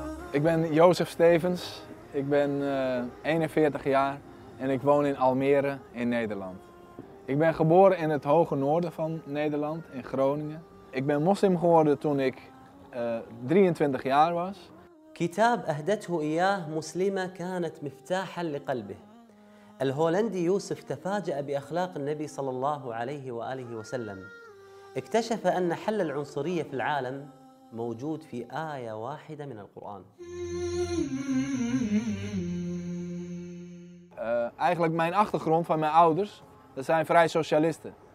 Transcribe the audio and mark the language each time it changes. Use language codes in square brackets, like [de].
[nl] Ik ben Jozef Stevens, ik ben 41 jaar en ik woon in Almere in Nederland. Ik ben geboren in het hoge noorden van Nederland, in Groningen. Ik ben moslim geworden toen ik 23 jaar was. [ar] كتاب أهدته إياه مسلمة كانت مفتاحا لقلبه. الهولندي يوسف تفاجأ بأخلاق النبي صلى الله عليه وآله وسلم. اكتشف أن حل العنصرية في العالم موجود في آية واحدة من القرآن. [nl] Eigenlijk mijn achtergrond van mijn ouders, dat zijn vrij socialisten.